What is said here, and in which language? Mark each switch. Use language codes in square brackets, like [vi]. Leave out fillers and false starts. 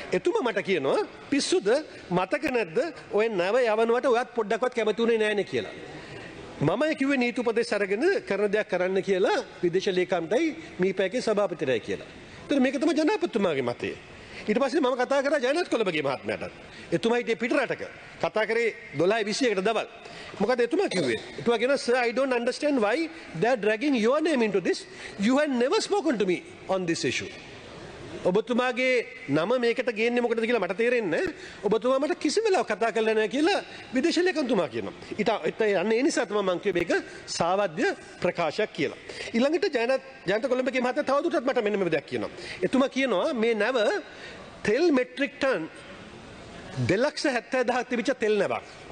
[si] එතුමා මට කියනවා පිස්සුද, මතක නැද්ද ඔය නැව යවනවට ඔයත් පොඩ්ඩක්වත් කැමති වුණේ නැහැ නේ කියලා. මම කිව්වේ නීති උපදෙස් අරගෙන කරන දෙයක් කරන්න කියලා විදේශ ලේකම්ටයි මීපැකේ සභාපතිරයයි කියලා. ඒත් මේක තමයි ජනාධිපතිතුමාගේ මතය. ඊට පස්සේ මම කතා කරා ජයනත් කොළඹගේ මහත්මයාට. එතුමා හිටියේ පිටරටක. කතා කරේ 12:20කට දවල්. මොකද එතුමා කිව්වේ? එතුමා කියනවා [en] sir I don't understand why they are dragging your name into this. You have never spoken to me on this issue. [si] ඔබතුමාගේ නම මේකට ගේන්නේ මොකටද කියලා මට තේරෙන්නේ නැහැ. ඔබතුමා මට කිසිම වෙලාවක කතා කරලා නැහැ කියලා විදේශ ලේකම්තුමා කියනවා. ඊට යන ඒ නිසා තමයි මම කිව්වේ මේක සාවද්‍ය ප්‍රකාශයක් කියලා. ඊළඟට ජයන්ත කොළඹගේ මහත්තයා තවදුරටත් මට මෙන්න මේ දෙයක් කියනවා. එතුමා කියනවා මේ නැව තෙල් මෙට්‍රික් ටන් 270,000 තිබිච්ච තෙල් නැවක්.